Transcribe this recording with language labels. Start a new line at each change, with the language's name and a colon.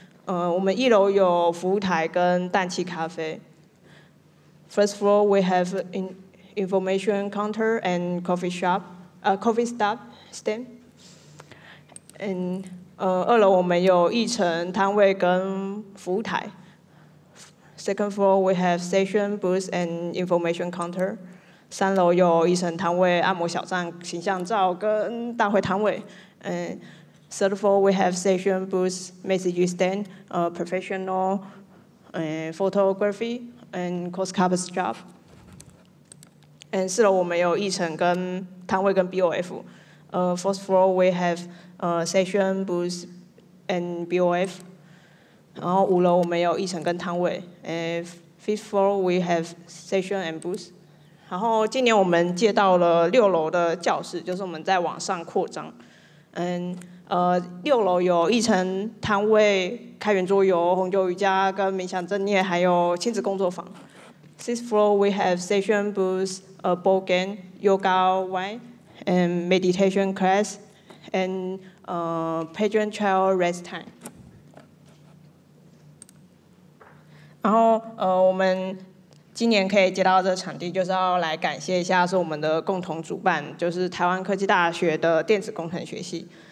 Chinese: 我们一楼有服务台跟氮气咖啡。
English: First floor, we have information counter and coffee shop, coffee stop stand.
Chinese: And 二楼我们有议程摊位跟服务台。
English: Second floor, we have station booth and information counter.
Chinese: 三楼有议程摊位、按摩小站、形象照跟大会摊位。
English: Third floor, we have station booth, message stand, professional, photography. And cost cover shop. And
Chinese: 四楼我们有议程跟摊位跟 BOF.
English: Fourth floor we have session booth and BOF.
Chinese: 然后五楼我们有议程跟摊位.
English: Fifth floor we have session and booth.
Chinese: 然后今年我们借到了六楼的教室，就是我们在往上扩张。 And 六楼有议程摊位。开源桌游、红酒瑜伽跟冥想正念，还有亲子工作坊。
English: Sixth floor we have session booth, a board game, yoga, wine, and meditation class, and patron child rest time.
Chinese: 然后我们今年可以接到这个场地，就是要来感谢一下是我们的共同主办，就是台湾科技大学的电子工程学系。